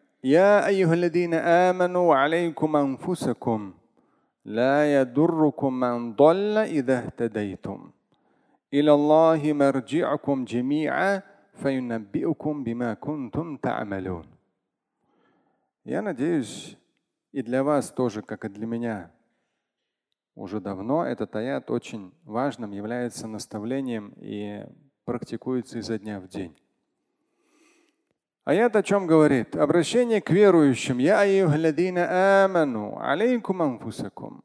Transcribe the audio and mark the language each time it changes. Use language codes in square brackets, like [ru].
[ar] Я айюхаллазина аману алейкум анфусакум. لا يضركم من ضل إذا اهتديتم إلى الله مرجعكم جميعا فينبئكم بما كنتم تعملون. [ru] Я надеюсь, и для вас тоже, как и для меня, уже давно этот аят очень важным является наставлением и практикуется изо дня в день. Аят о чем говорит? Обращение к верующим. [ar] Я айюхаллазина аману алейкум анфусакум.